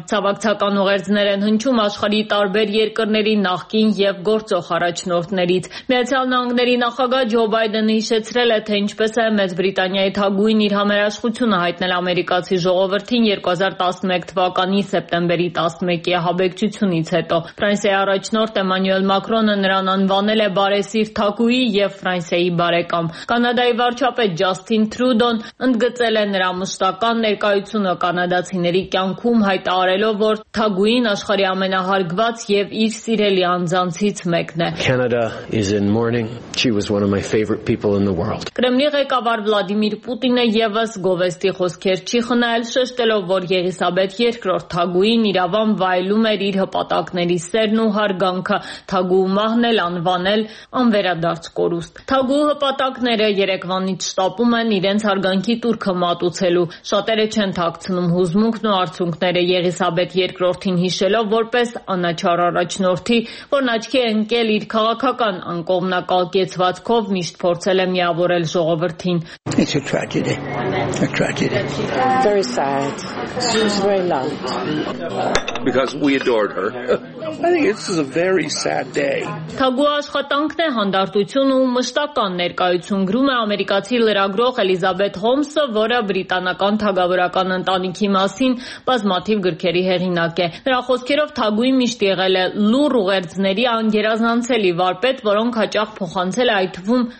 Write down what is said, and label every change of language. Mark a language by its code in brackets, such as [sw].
[hy] Ցավակցական ուղերձներ են հնչում աշխարհի տարբեր երկրների նախկին և գործող առաջնորդներից։ Միացյալ Նահանգների նախագահ Ջո Բայդենը հիշեցրել է, թե ինչպես է Մեծ Բրիտանիայի թագուհին իր համերաշխությունը հայտնել ամերիկացի ժողովրդին 2011 թվականի սեպտեմբերի 11-ի հաբեկչությունից հետո։ Ֆրանսիայի առաջնորդ Էմանյուել Մակրոնը նրան անվանել է բարեսիրտ թագուհի և Ֆրանսիայի բարեկամ։ Կանադայի վարչապետ Ջաստին Թրուդոն ընդգծել է նրա մշտական ներկայությունը կանադացիների կյանքում, հայտարարելով, որ թագուհին աշխարհի ամենահարգված եւ իր սիրելի անձանցից մեկն է։ [en] Canada is in mourning. She was one of my favorite people in the world. [hy] Կրեմլի ղեկավար Վլադիմիր Պուտինը եւս գովեստի խոսքեր չի խնայել, շեշտելով, որ Եղիսաբեթ II թագուհին իրավամ վայելում էր իր հպատակների սերն ու հարգանքը, թագուհ մահնել, անվանել անվերադարձ կորուստ։ Թագուհի հպատակները երեկվանից շտապում են իրենց հարգանքի տուրքը մատուցելու։ Շատերը չեն թաքցնում հուզմունքն ու արցունքները Եղիսաբեթ II-ին հիշելով որպես անաչառ առաջնորդի, որն աչքի ընկել իր քաղաքական անկողմնակալկեցվածքով միշտ փորձել է միավորել ժողովրդին. [en] It's a tragedy. A tragedy. Very sad. She was very loved. Because we adored her. I think this is a very sad day. [hy] Թագու աշխատանքն է հանդարտություն ու մշտական ներկայություն գրում է ամերիկացի լրագրող Էլիզաբեթ Հոլմսը, որը բրիտանական թագավորական ընտանիքի մասին բազմաթիվ գրքերի հեղինակ է։ Նրա խոսքերով թագուի միշտ եղել է լուռ ուղերձների անգերազանցելի վարպետ, որոնք հաճախ փոխանցել է այդ թվում